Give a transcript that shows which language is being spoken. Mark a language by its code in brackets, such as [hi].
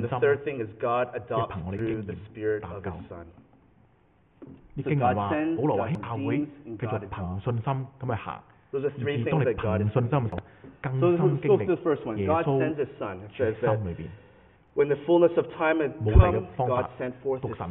[en] And the third thing is God adopts through the Spirit of His Son. [yue] 啲經文話，保羅話喺教會繼續憑信心咁去行。 [en] Those are three things that God sends His Son. [yue] 更深經歷耶穌住喺心裏邊。 [en] When the fullness of time had come, God sent forth His Son.